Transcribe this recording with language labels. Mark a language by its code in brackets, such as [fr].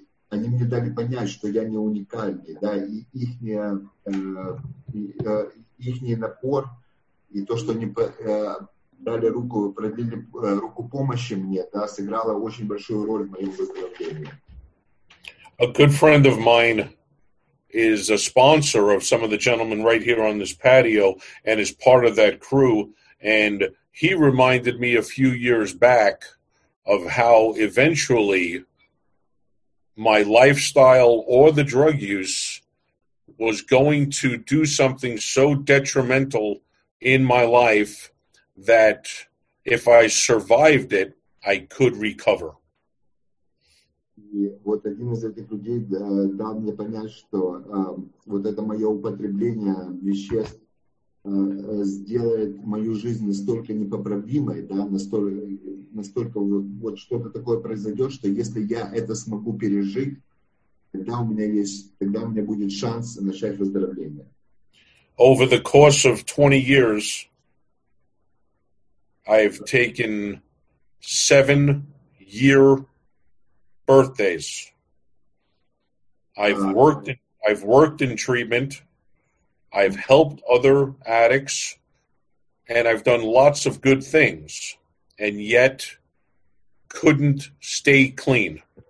[ru] Они мне дали понять, что я не уникальный, да, и ихний напор И то, что они дали руку, продлили руку помощи мне, да, сыграло очень большую роль в моем выздоровлении. [en] A good friend of mine is a sponsor of some of the gentlemen right here on this patio and is part of that crew. And he reminded me a few years back of how eventually my lifestyle or the drug use was going to do something so detrimental in my life that if I survived it, I could recover. [ru] И вот один из этих людей дал мне понять, что вот это мое употребление веществ сделает мою жизнь настолько непоправимой, да, настолько вот что-то такое произойдет, что если я это смогу пережить, тогда у меня есть, тогда у меня будет шанс начать выздоровление. [en] Over the course of 20 years, I've taken 7-year birthdays. I've worked in treatment. I've helped other addicts, and I've done lots of good things, and yet couldn't stay clean.